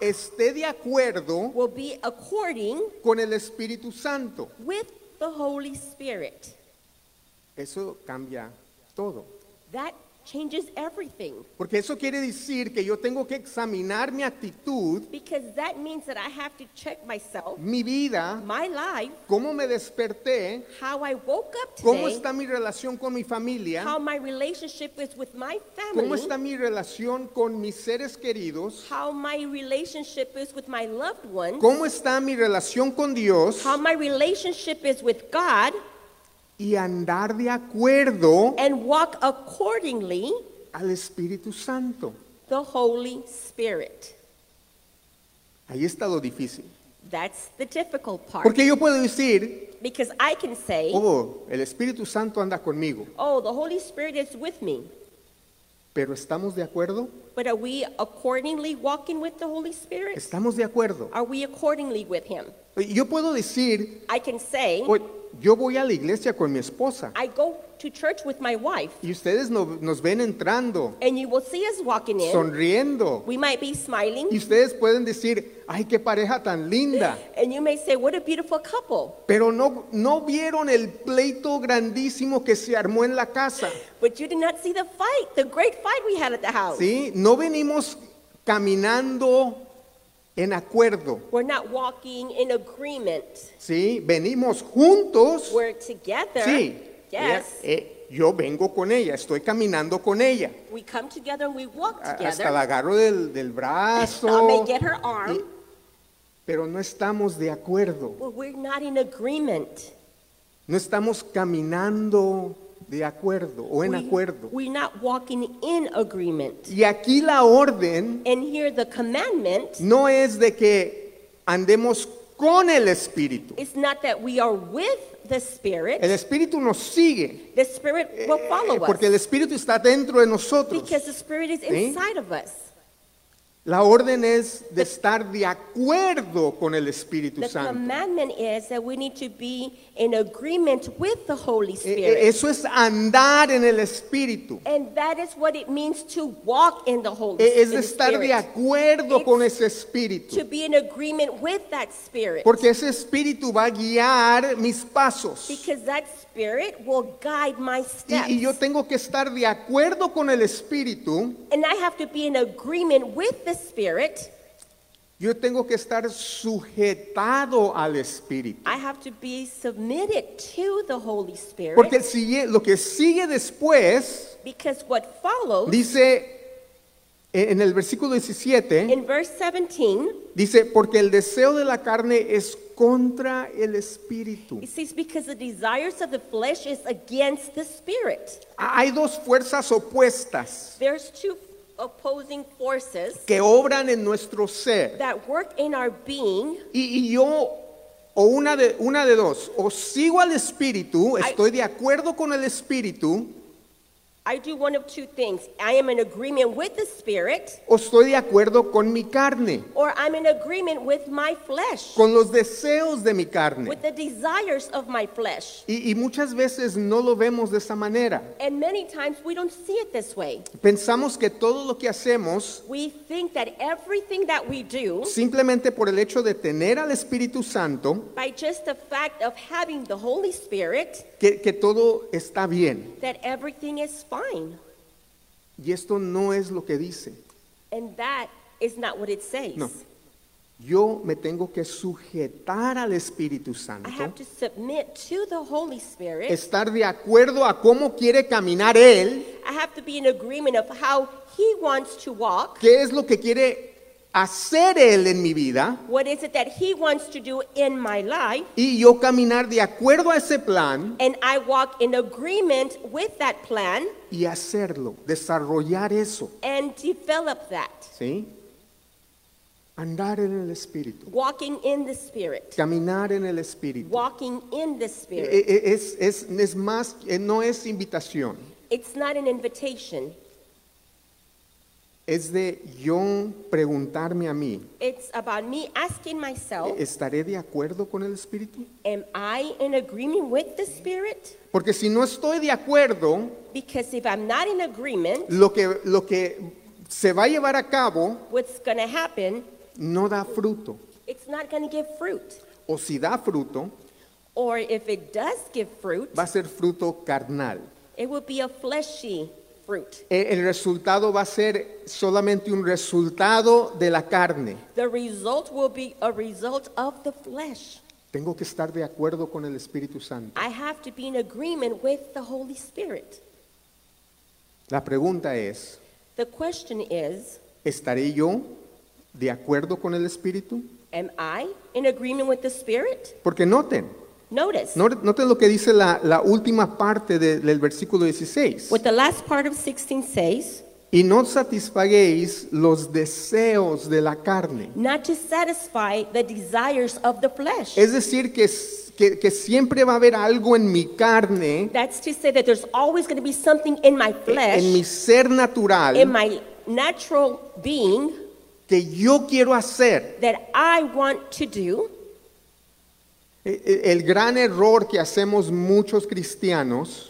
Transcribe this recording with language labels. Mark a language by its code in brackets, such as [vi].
[es] Esté de acuerdo. [en] Will be according. [es] Con el Espíritu Santo. [en] With the Holy Spirit. [es] Eso cambia todo. [en] That changes everything. [es] Porque eso quiere decir que yo tengo que examinar mi actitud. [en] Because that means that I have to check myself. [es] Mi vida. [en] My life. [es] Cómo me desperté. [en] How I woke up today. [es] Cómo está mi relación con mi familia. [en] How my relationship is with my family. [es] Cómo está mi relación con mis seres queridos. [en] How my relationship is with my loved ones. [es] Cómo está mi relación con Dios. [en] How my relationship is with God. [es] Y andar de acuerdo. [en] And walk accordingly. [es] Al Espíritu Santo. [en] The Holy Spirit. [es] Ahí está lo difícil. [en] That's the difficult part. [es] Porque yo puedo decir. [en] Because I can say. [es] Oh, el Espíritu Santo anda conmigo. [en] Oh, the Holy Spirit is with me. [es] Pero estamos de acuerdo. [en] But are we accordingly walking with the Holy Spirit? [es] Estamos de acuerdo. [en] Are we accordingly with him? [es] Yo puedo decir. [en] I can say. [es] Oh, yo voy a la iglesia con mi esposa. [en] I go to church with my wife. [es] Y ustedes no, nos ven entrando. [en] And you will see us walking in. [es] Sonriendo. [en] We might be smiling. [es] Y ustedes pueden decir, ay, qué pareja tan linda. [en] And you may say, what a beautiful couple. [es] Pero no vieron el pleito grandísimo que se armó en la casa. [en] But you did not see the fight, the great fight we had at the house. [es] Sí, no venimos caminando en acuerdo. [en] We're not walking in agreement. [es] Sí, venimos juntos. [en] We're together. [es] Sí. [en] Yes. [es] Yo vengo con ella, estoy caminando con ella. [en] We come together and we walk together. [es] Hasta la agarro del brazo. [en] I may get her arm. [es] Pero no estamos de acuerdo. [en] But we're not in agreement. [es] No estamos caminando de acuerdo o en acuerdo. [en] We're not walking in agreement. [es] Y aquí la orden. [en] And here the commandment. [es] No es de que andemos con el Espíritu. [en] It's not that we are with the Spirit. [es] El Espíritu nos sigue. [en] The Spirit will follow us. [es] Porque el Espíritu está dentro de nosotros. [en] Because the Spirit is inside of us. [es] La orden es de estar de acuerdo con el Espíritu [en] the The commandment is that we need to be in agreement with the Holy Spirit. [es] Eso es andar en el Espíritu. [en] And that is what it means to walk in the Holy Spirit. Es [es] de estar de acuerdo con ese Espíritu. [en] To be in agreement with that Spirit. [es] Porque ese Espíritu va a guiar mis pasos. [en] Because that Spirit will guide my steps. [es] Y yo tengo que estar de acuerdo con el Espíritu. [en] And I have to be in agreement with the Spirit. [es] Yo tengo que estar sujetado al Espíritu. [en] I have to be submitted to the Holy Spirit. [es] Porque lo que sigue después. [en] Because what follows. [es] Dice en el versículo 17. [en] In verse 17. [es] Dice, porque el deseo de la carne es contra el Espíritu. [en] It says because the desires of the flesh is against the Spirit. [es] Hay dos fuerzas opuestas. [en] There's two opposing forces. [es] Que obran en nuestro ser. [en] That work in our being. [es] Y yo, o una de dos. O sigo al Espíritu, estoy de acuerdo con el Espíritu. [en] I do one of two things. I am in agreement with the spirit. [es] O estoy de acuerdo con mi carne. [en] Or I'm in agreement with my flesh. [es] Con los deseos de mi carne. [en] With the desires of my flesh. [es] Y muchas veces no lo vemos de esa manera. [en] And many times we don't see it this way. [es] Pensamos que todo lo que hacemos. [en] We think that everything that we do. [es] Simplemente por el hecho de tener al Espíritu Santo. [en] By just the fact of having the Holy Spirit. [es] Que todo está bien. [en] That everything is fine. [es] Y esto no es lo que dice. [en] And that is not what it says. [es] No. Yo me tengo que sujetar al Espíritu Santo. [en] I have to submit to the Holy Spirit. [es] Estar de acuerdo a cómo quiere caminar Él. [en] I have to be in agreement of how He wants to walk. [es] ¿Qué es lo que quiere hacer Él en mi vida? [en] What is it that He wants to do in my life? [es] Y yo caminar de acuerdo a ese plan. [en] And I walk in agreement with that plan. [es] Y hacerlo, desarrollar eso. [en] And develop that. [es] ¿Sí? Andar en el Espíritu. [en] Walking in the Spirit. [es] Caminar en el Espíritu. [en] Walking in the Spirit. [es] Es más, no es invitación. [en] It's not an invitation. [es] Es de yo preguntarme a mí. [en] It's about me asking myself. [es] ¿Estaré de acuerdo con el Espíritu? [en] Am I in agreement with the Spirit? [es] Porque si no estoy de acuerdo. [en] Because if I'm not in agreement. [es] Lo que se va a llevar a cabo. [en] What's going to happen. [es] No da fruto. [en] It's not going to give fruit. [es] O si da fruto. [en] Or if it does give fruit. [es] Va a ser fruto carnal. [en] It will be a fleshy. [es] El resultado va a ser solamente un resultado de la carne. [en] The result will be a result of the flesh. [es] Tengo que estar de acuerdo con el Espíritu Santo. [en] I have to be in agreement with the Holy Spirit. [es] La pregunta es, [en] the question is, [es] ¿estaré yo de acuerdo con el Espíritu? [en] Am I in agreement with the Spirit? [es] Porque noten. Noten lo que dice la última parte del versículo 16. [en] What the last part of 16 says. [es] Y no satisfaguéis los deseos de la carne. [en] Not to satisfy the desires of the flesh. [es] Es decir, que siempre va a haber algo en mi carne. [en] That's to say that there's always going to be something in my flesh. [es] En mi ser natural. [en] In my natural being. [es] Que yo quiero hacer. [en] That I want to do. [es] El gran error que hacemos muchos cristianos.